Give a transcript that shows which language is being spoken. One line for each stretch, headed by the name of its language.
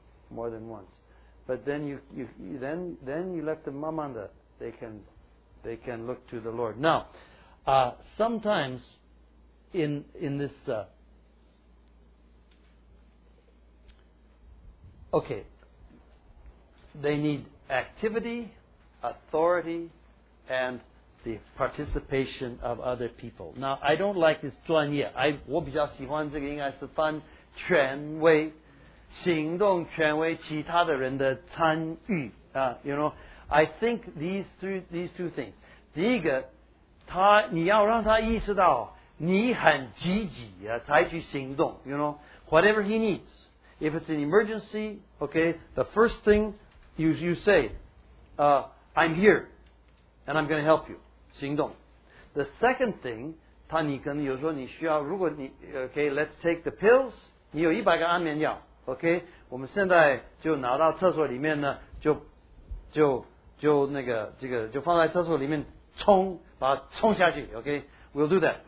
English: more than once， but then you you let them
Chinese: 慢慢的
English: they can look to the Lord now、sometimes in this、okay, they need activity, authority, and the participation of other people. Now, I don't like this 专业.
Chinese: 我比较喜欢这个应该是翻权威，行动权威，其他的人的参与。
English: You know, I think these two things.
Chinese: 第一个，他你要让他意识到你很积极啊，采取行动。
English: You know, whatever he needs. If it's an emergency, okay, the first thing you say,、I'm here, and I'm going to help you.
Chinese: 行动.
English: The second thing,
Chinese: 他你可能有时候你需要，如果你
English: okay, let's take the pills.
Chinese: 你有一百个安眠药 okay, 我们现在就拿到厕所里面呢，就那个这个就放在厕所里面冲，把它冲下去
English: okay, we'll do that.